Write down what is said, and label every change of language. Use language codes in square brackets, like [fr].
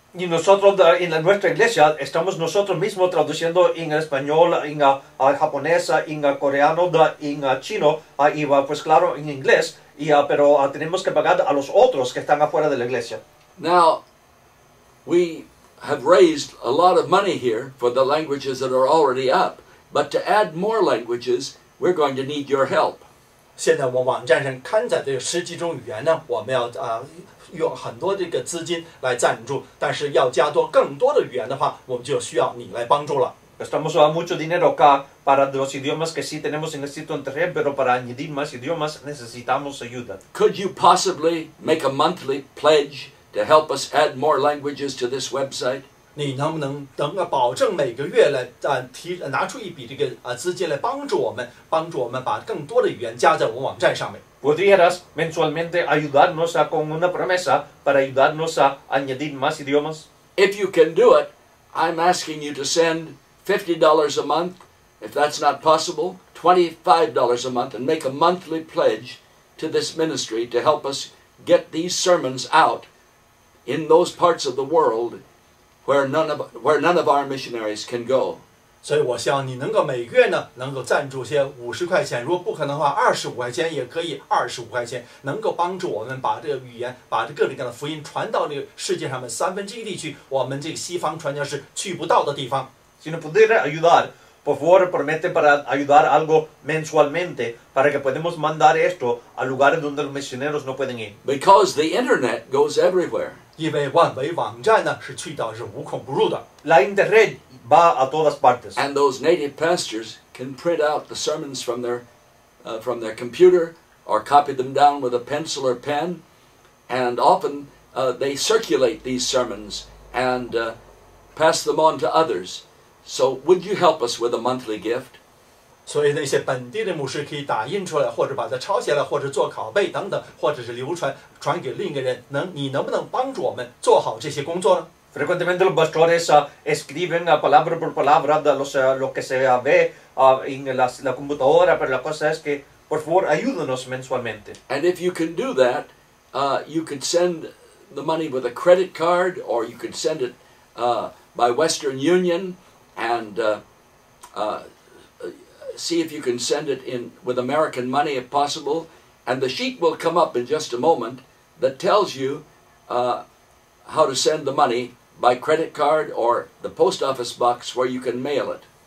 [es] Y nosotros en nuestra iglesia estamos nosotros mismos traduciendo en español, en japonés, en coreano, en chino, y pues claro, en inglés, pero tenemos que pagar a los otros que están afuera de la iglesia. [en] Now, we have raised a lot of money here for the languages that are already up, but to add more languages, we're going to need your help. [zh] 现在我网站上刊载的十几种语言呢，我们要用很多这个资金来赞助，但是要加多更多的语言的话，我们就需要你来帮助了。 [es] Estamos usando mucho dinero acá para los idiomas que sí tenemos en el sitio internet, pero para añadir más idiomas necesitamos ayuda. [en] Could you possibly make a monthly pledge to help us add more languages to this website? [zh] 你能不能保证每个月来拿出一笔这个资金来帮助我们，把更多的语言加在我们网站上面？ [es] ¿Podrías mensualmente ayudarnos con una promesa para ayudarnos a añadir más idiomas? [en] If you can do it, I'm asking you to send $50 a month. If that's not possible, $25 a month and make a monthly pledge to this ministry to help us get these sermons out in those parts of the world where none of our missionaries can go. [zh] 所以我希望你能够每月呢能够赞助些50块钱，如果不可能的话25块钱也可以，25块钱能够帮助我们把这个语言，把这各种各样的福音传到这个世界上面三分之一地区，我们这个西方传教士去不到的地方。 [es] Si no pudiera ayudar, por favor promete para ayudar algo mensualmente para que podamos mandar esto a lugares donde los misioneros no pueden ir. [en] Because the internet goes everywhere. [zh] 因为万维网站呢是去到是无孔不入的。 [es] La internet. Va a todas partes. [en] And those native pastors can print out the sermons from their computer or copy them down with a pencil or pen. And often they circulate these sermons and pass them on to others. So would you help us with a monthly gift? [zh] 所以那些本地的牧师可以打印出来，或者把它抄写了，或者做拷贝等等，或者是流传给另一个人。你能不能帮助我们做好这些工作呢？ [es] Frecuentemente los pastores escriben palabra por palabra de lo que se ve en la computadora, pero la cosa es que, por favor, ayúdenos mensualmente. [en] And if you can do that, You could send the money with a credit card, or you could send it by Western Union, and see if you can send it in with American money if possible. And the sheet will come up in just a moment that tells you how to send the money by credit card or the post office box where you can mail it.